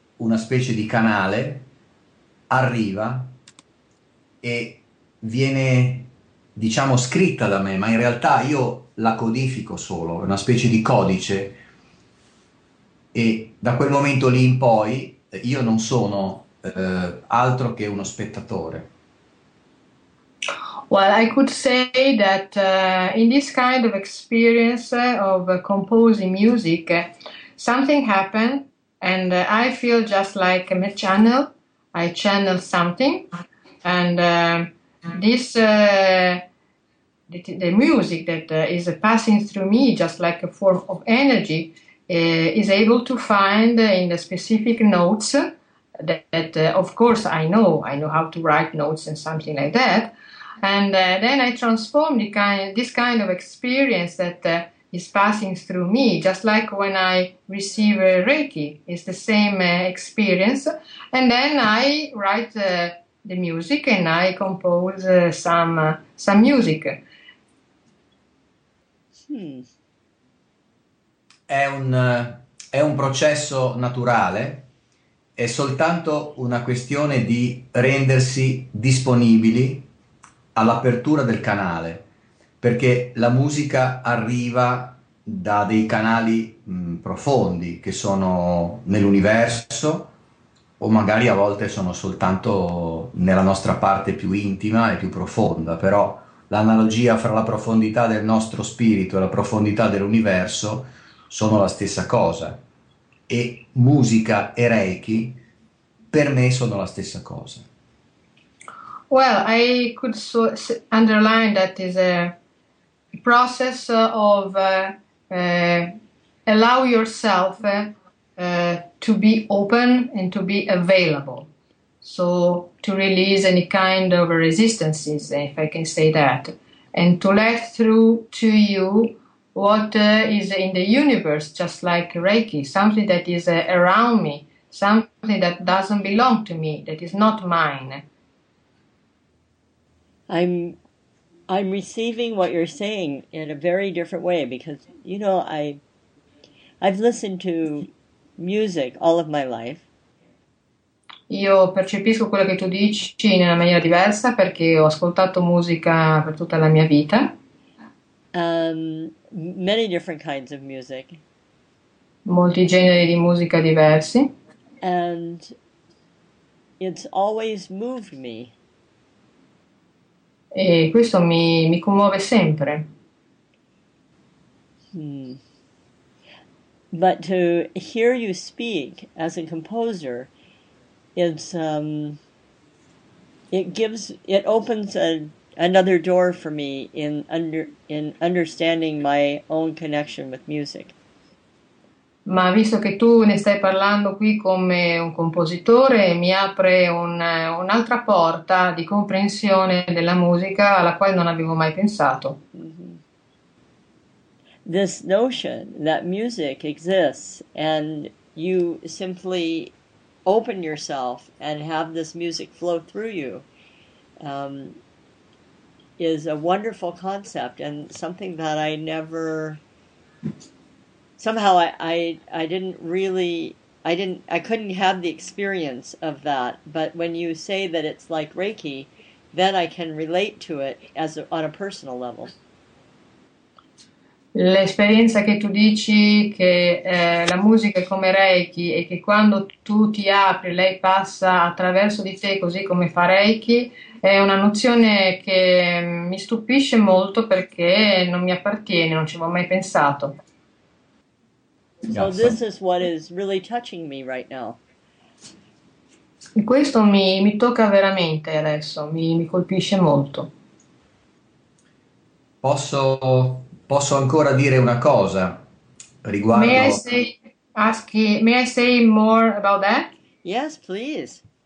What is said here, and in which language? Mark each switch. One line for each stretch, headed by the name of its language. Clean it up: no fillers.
Italian: una specie di canale arriva e viene, diciamo, scritta da me, ma in realtà io la codifico solo, è una specie di codice. E da quel momento lì in poi io non sono altro che uno spettatore.
English: Well, I could say that in this kind of experience of composing music, something happened, and I feel just like a channel. I channel something, and this the music that is passing through me, just like a form of energy, is able to find in the specific notes that of course, I know how to write notes and something like that. And then I transform this kind of experience that is passing through me, just like when I receive a Reiki, it's the same experience. And then I write the music and I compose some music.
Italian: È un processo naturale, è soltanto una questione di rendersi disponibili all'apertura del canale, perché la musica arriva da dei canali profondi che sono nell'universo o magari a volte sono soltanto nella nostra parte più intima e più profonda, però l'analogia fra la profondità del nostro spirito e la profondità dell'universo sono la stessa cosa. E musica e Reiki per me sono la stessa cosa.
English: Well, I could so underline that is a process of allow yourself to be open and to be available. So to release any kind of resistances, if I can say that, and to let through to you what is in the universe, just like Reiki, something that is around me, something that doesn't belong to me, that is not mine. I'm receiving what you're saying in a very different way because, I've listened to music all of my life.
Italian: Io percepisco quello che tu dici in una maniera diversa perché ho ascoltato musica per tutta la mia vita.
English: Many different kinds of music.
Italian: Molti generi di musica diversi. E
English: And it's always moved me.
Italian: questo mi commuove sempre.
English: But to hear you speak as a composer, it opens another door for me in understanding my own connection with music.
Italian: Ma visto che tu ne stai parlando qui come un compositore, mi apre un'altra porta di comprensione della musica alla quale non avevo mai pensato.
English: This notion that music exists and you simply open yourself and have this music flow through you, is a wonderful concept and something that I never, somehow I didn't really, I didn't, I couldn't have the experience of that. But when you say that it's like Reiki, then I can relate to it on a personal level.
Italian: L'esperienza che tu dici che la musica è come Reiki e che quando tu ti apri lei passa attraverso di te così come fa Reiki è una nozione che mi stupisce molto perché non mi appartiene, non ci avevo mai pensato.
English: So this is what is really touching me right now.
Italian: E questo mi tocca veramente adesso, mi colpisce molto. Posso ancora dire una cosa riguardo.
English: May I say more about that? Yes, please.